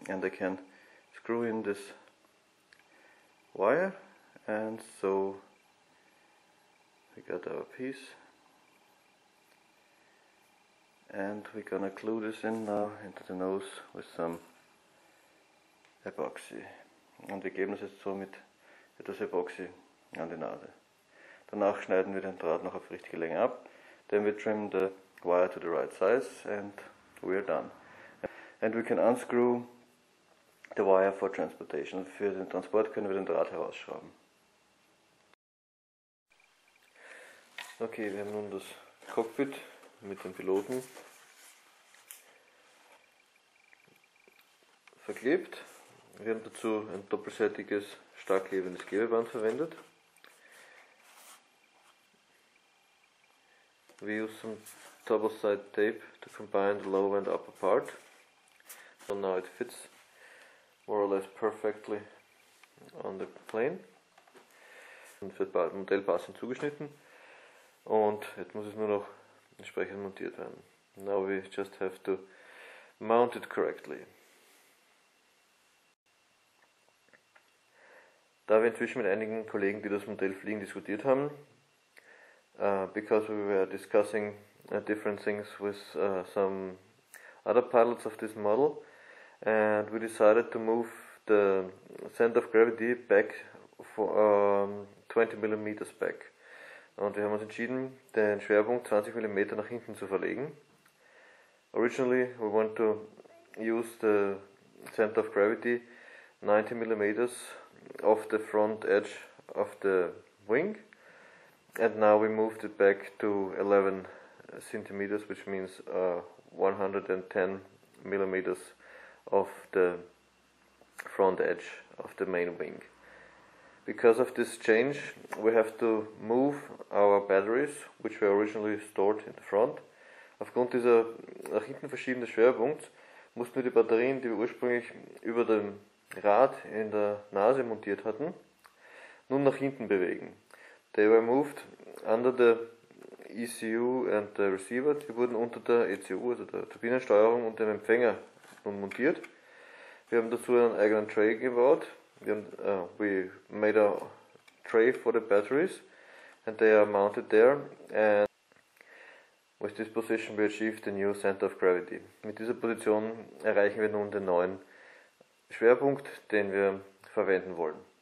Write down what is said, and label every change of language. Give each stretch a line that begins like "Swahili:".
English: And I can screw in this wire and so we got our piece. And we're gonna glue this in now into the nose with some epoxy.
German: Und wir geben das jetzt so mit etwas Epoxy an die Nase. Danach schneiden wir den Draht noch auf richtige Länge ab.
English: Then we trim the wire to the right size and we're done. And we can unscrew the wire for transportation.
German: Für den Transport können wir den Draht herausschrauben. Okay, wir haben nun das Cockpit mit dem Piloten verklebt. Wir haben dazu ein doppelseitiges, stark klebendes Klebeband verwendet.
English: We use some double-sided tape to combine the lower and upper part. So now it fits more or less perfectly on the plane.
German: Und für das Modell passend zugeschnitten. Und jetzt muss es nur noch entsprechend montiert werden.
English: Now we just have to mount it correctly.
German: Da wir inzwischen mit einigen Kollegen, die das Modell fliegen, diskutiert haben,
English: because we were discussing different things with some other pilots of this model, and we decided to move the center of gravity back for 20 mm back.
German: Und wir haben uns entschieden, den Schwerpunkt 20 mm nach hinten zu verlegen.
English: Originally we want to use the center of gravity 90 mm off the front edge of the wing. And now we moved it back to 11 cm, which means 110 mm of the front edge of the main wing. Because of this change, we have to move our batteries, which were originally stored in the front.
German: Aufgrund dieser nach hinten verschiebenden Schwerpunkts mussten wir die Batterien, die wir ursprünglich über dem Rad in der Nase montiert hatten, nun nach hinten bewegen.
English: They were moved under the ECU and the receiver.
German: Die wurden unter der ECU, also der Turbinensteuerung und dem Empfänger, nun montiert. Wir haben dazu einen eigenen Tray gebaut.
English: We made a tray for the batteries and they are mounted there, and with this position we achieve the new center of gravity.
German: Mit dieser Position erreichen wir nun den neuen Schwerpunkt, den wir verwenden wollen.